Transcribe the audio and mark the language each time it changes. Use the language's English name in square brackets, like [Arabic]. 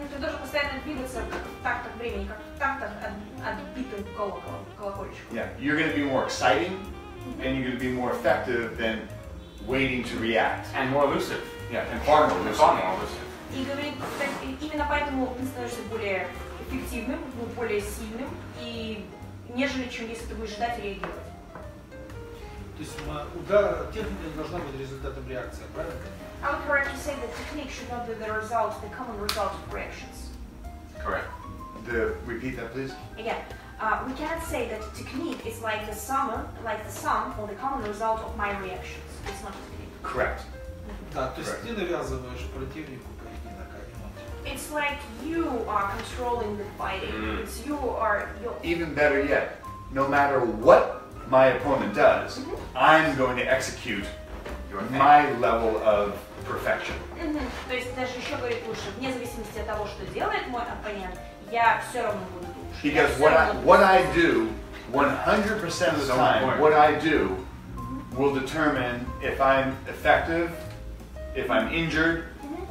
[Russian] Ты должен постоянно двигаться как в тактах времени, как в тактах отбитым колокольчиком. [English] Yeah, you're going to be more exciting and you're going to be more effective than waiting to react. And more elusive. Yeah, and far more elusive. [Russian] И говорит, именно поэтому ты становишься более эффективным, более сильным, и нежели чем если ты будешь ждать и реагировать. То есть удар техника не должна быть результатом реакции, правильно? [English] I would correctly say that technique should not be the result, the common result of reactions. Correct. Repeat that, please. Again, we cannot say that technique is like the sum or the common result of my reactions. It's not technique. Correct. [Russian] Да, то есть ты навязываешь противнику. [English] It's like you are controlling the fighting. Mm. It's you are your. Even better yet, no matter what my opponent does, mm-hmm. I'm going to execute my level of perfection. [Russian] То есть даже еще говорит лучше, вне зависимости от того, что делает мой оппонент, я все равно буду лучше. [English] Because what I do 100% of the time, what I do will determine if I'm effective, if I'm injured, mm-hmm.